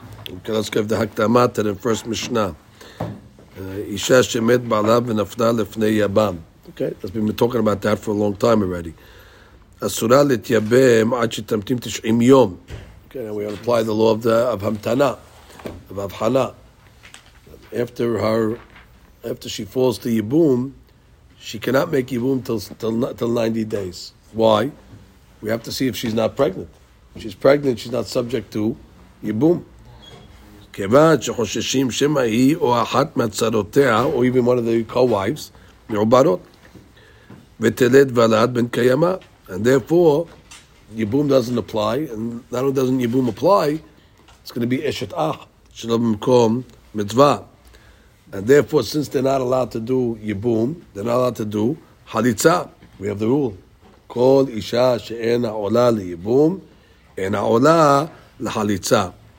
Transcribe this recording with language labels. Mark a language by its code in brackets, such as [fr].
[en] Okay, let's give the Haktamat to the first Mishnah. [he] Isha Shemet Ba'alav V'Nafna Lefnei Yabam. [en] Okay, we've been talking about that for a long time already. אסורה להתייבם עד שתמתים 90 יום. Okay, and we apply the law of the of Hamtana, of Avchana. After her, after she falls to Yibum, she cannot make Yibum till 90 days. Why? We have to see if she's not pregnant. If she's pregnant, she's not subject to Yibum. כיוון שחוששים שמא היא או אחת מהצרותיה, or even one of the co-wives, מעוברות. ותלד ולד בן קיימא. And therefore, Yibum doesn't apply. And not only doesn't Yibum apply, it's going to be Eshet Ach, Shalom Mekom Mitzvah. And therefore, since they're not allowed to do Yibum, they're not allowed to do Halitza. We have the rule. [he] Kol Isha She'en Ha'ola Li Yibum, En Ha'ola L'Halitza.